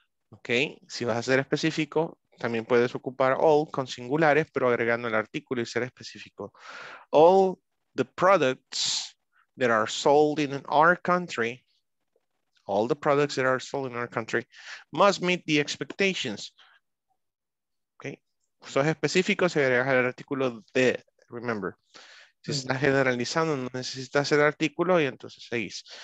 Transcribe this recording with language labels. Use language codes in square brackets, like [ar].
[es] Okay, si vas a ser específico, también puedes ocupar all con singulares, pero agregando el artículo y ser específico. [en] All the products that are sold in our country. All the products that are sold in our country must meet the expectations. Okay. [es] So específico se agrega el artículo de, [en] remember. [es] Si está generalizando, no necesitas el artículo y entonces seguís.